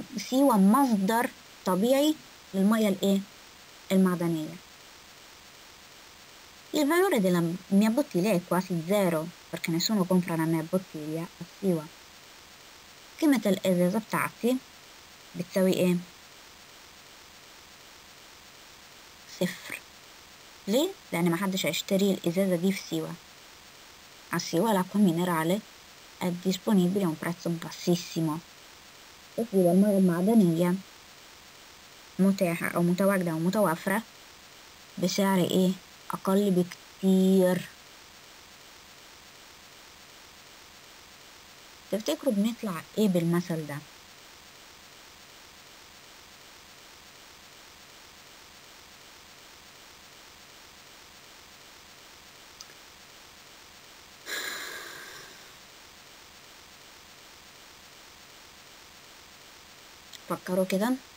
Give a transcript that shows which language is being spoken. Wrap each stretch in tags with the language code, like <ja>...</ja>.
<ar>سيوة مصدر طبيعي للمية الإيه؟ المعدنية.</ar> <it>Il valore della mia bottiglia è quasi zero, perché nessuno compra la mia bottiglia a Siwa.</it> <ar>قيمة الإزازة بتاعتي بتساوي إيه؟ صفر. ليه؟ لأن محدش هيشتري الإزازة دي في سيوة.</ar> <it>A Siwa l'acqua minerale è disponibile a un prezzo bassissimo. E qui la mia</it> <ar>المعدنية متاحة أو متواجدة أو متوافرة بسعر إيه؟ أقل بكتير. تفتكروا بنطلع إيه بالمثل ده؟ فكروا كده.</ar>